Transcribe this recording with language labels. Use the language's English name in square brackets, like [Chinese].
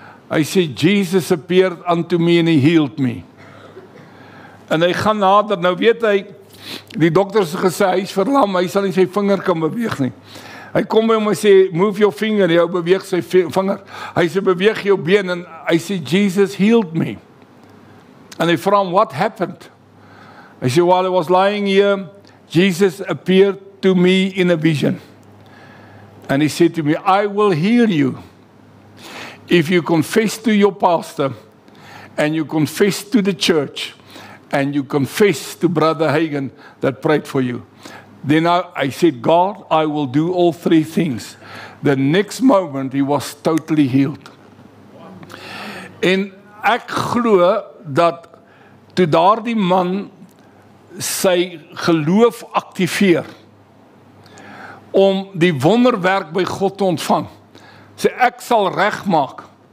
[Afrikaans] Hy sê, [English] Jesus appeared unto me and he healed me. [Afrikaans] En hy gaan nader, nou weet hy, die dokters gesê, hy is verlam, hy sal nie sy vinger kan beweeg nie. Hy kom by hom en sê, [English] move your finger, [Afrikaans] hy beweeg sy vinger. Hy sê, beweeg jou been, en hy sê, [English] Jesus healed me. [Afrikaans] En hy vra hom, [English] what happened? [Afrikaans] Hy sê, [English] while I was lying here, Jesus appeared to me in a vision. And he said to me, I will heal you if you confess to your pastor and you confess to the church and you confess to Brother Hagen that prayed for you. Then I said, God, I will do all three things. The next moment, he was totally healed. [Afrikaans] En ek glo dat toe daar die man sy geloof activeer om die wonderwerk by God te ontvang, sê ek sal reg maak,